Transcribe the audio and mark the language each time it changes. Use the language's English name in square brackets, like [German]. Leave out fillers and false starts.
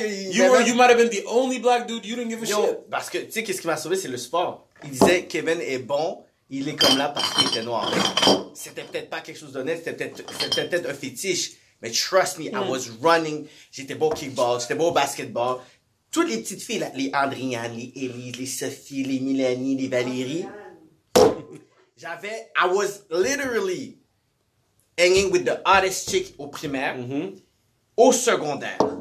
[English] You might have been the only black dude, you didn't give a shit. [French] Parce que, tu sais, qu'est-ce qui m'a sauvé, c'est le sport. Il disait, Kevin est bon, il est comme là parce qu'il était noir. C'était peut-être pas quelque chose d'honnête, c'était peut-être un fétiche. Mais [English] trust me, I was running. [French] J'étais beau au kickball, j'étais beau au basketball. Toutes les petites filles, les Andriane, les Élise, les Sophie, les Mélanie, les Valérie. [English] I was literally hanging with the hottest chick [French] au primaire, au secondaire.